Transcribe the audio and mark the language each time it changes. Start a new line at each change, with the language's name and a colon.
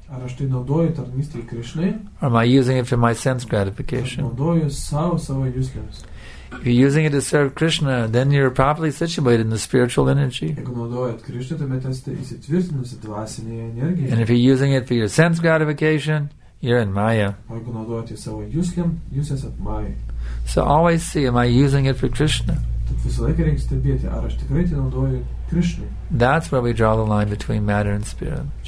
Lithuanian: Ar aš tai naudoju tarnystėje Krishnai?
English: Or am I using it for my sense gratification?
Lithuanian: Naudoju savo juslėms.
English: If you're using it to serve Krishna, then you're properly situated in the spiritual energy.
Lithuanian: Jeigu naudojat Krishna, tuomet esate įsitvirtinusi dvasinėje energijoje.
English: And if you're using it for your sense gratification, you're in Maya.
Lithuanian: O jeigu naudojat savo juslėm, jūs esat Maya.
English: So always see, am I using it for Krishna?
Lithuanian: Tad visą laiką reikia stebėti, ar aš tikrai tai naudoju.
English: That's where we draw the line between matter and spirit.